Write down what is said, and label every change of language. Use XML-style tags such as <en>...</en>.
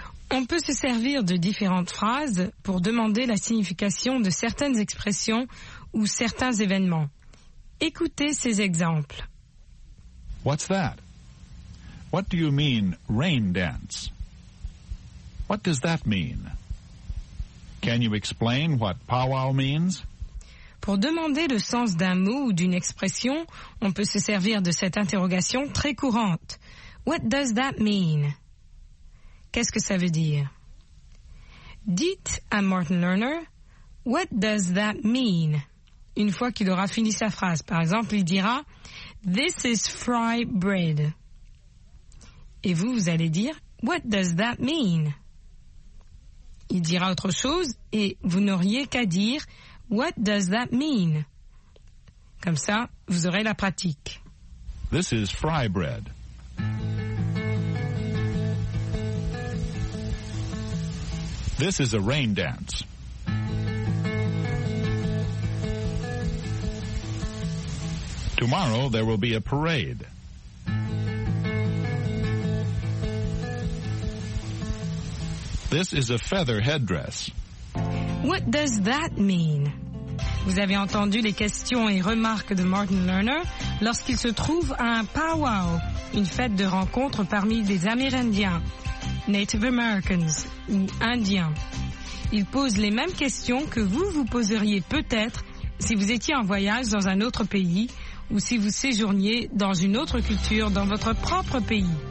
<fr>On peut se servir de différentes phrases pour demander la signification de certaines expressions ou certains événements. Écoutez ces exemples.</fr> <en>What's that? What do you mean, rain dance? What does that mean? Can you explain what powwow means?</en> <fr>Pour demander le sens d'un mot ou d'une expression, on peut se servir de cette interrogation très courante.</fr> <en>What does that mean?</en> <fr>Qu'est-ce que ça veut dire? Dites à Martin Lerner,</fr> <en>What does that mean?</en> <fr>Une fois qu'il aura fini sa phrase, par exemple, il dira,</fr> <en>This is fry bread.</en> <fr>Et vous, vous allez dire,</fr> <en>What does that mean?</en> <fr>Il dira autre chose et vous n'auriez qu'à dire,</fr> <en>What does that mean?</en> <fr>Comme ça, vous aurez la pratique.</fr> <en>This is fry bread. This is a rain dance. Tomorrow there will be a parade. This is a feather headdress. What does that mean?</en> <fr>Vous avez entendu les questions et remarques de Martin Lerner lorsqu'il se trouve à un powwow, une fête de rencontre parmi des Amérindiens.</fr> <en>Native Americans</en> <fr>ou Indiens. Ils posent les mêmes questions que vous vous poseriez peut-être si vous étiez en voyage dans un autre pays ou si vous séjourniez dans une autre culture dans votre propre pays.</fr>